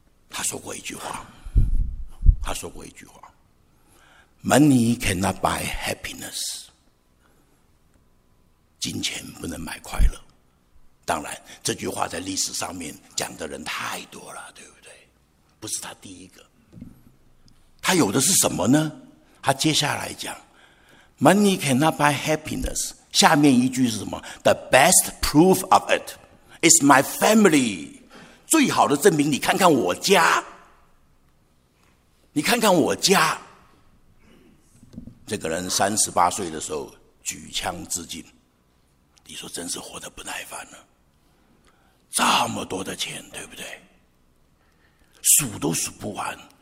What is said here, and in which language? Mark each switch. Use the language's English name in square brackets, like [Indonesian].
[Chinese] 他说过一句话，他说过一句话 ： [English] “Money cannot buy happiness。” [Chinese] 金钱不能买快乐。当然，这句话在历史上面讲的人太多了，对不对？不是他第一个。他有的是什么呢？他接下来讲 ： [English] “Money cannot buy happiness。” [Chinese] 下面一句是什么 ？ [English] The best proof of it is my family。 [Chinese] 最好的证明，你看看我家，你看看我家。这个人38岁的时候举枪自尽，你说真是活得不耐烦了。这么多的钱，对不对？数都数不完。